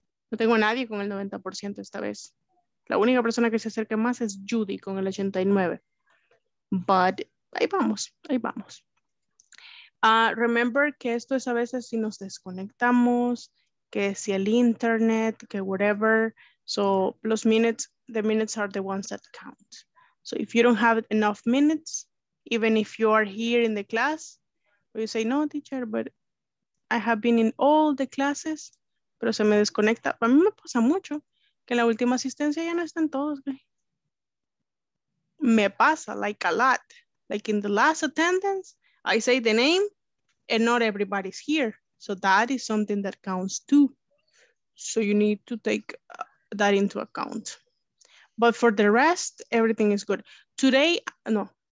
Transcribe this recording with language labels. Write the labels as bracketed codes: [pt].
[es] No tengo nadie con el 90% esta vez. La única persona que se acerca más es Judy con el 89%. But ahí vamos, ahí vamos. Remember que esto es a veces si nos desconectamos, que si el internet, que whatever. [en] So, plus minutes, the minutes are the ones that count. So, if you don't have enough minutes, even if you are here in the class, you say, no, teacher, but I have been in all the classes, [es] pero se me desconecta. A mí me pasa mucho que en la última asistencia ya no están todos. Me pasa, [en] like a lot. Like in the last attendance, I say the name and not everybody's here. So, that is something that counts too. So, you need to take that into account. But for the rest, everything is good. Today, no.